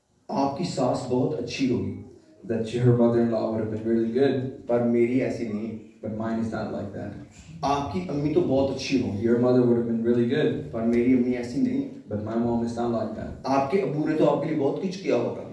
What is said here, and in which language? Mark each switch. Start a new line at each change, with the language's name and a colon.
Hindi: आपकी सास बहुत अच्छी होगी.
English: That your mother-in-law would have been really good.
Hindi: पर मेरी ऐसी नहीं.
English: But mine is not like that.
Hindi: आपकी अम्मी तो बहुत अच्छी होगी.
English: Your mother would have been really good.
Hindi: पर मेरी अम्मी ऐसी नहीं.
English: But my mom is not like that.
Hindi: आपके अबू ने तो आपके लिए बहुत कुछ किया होगा.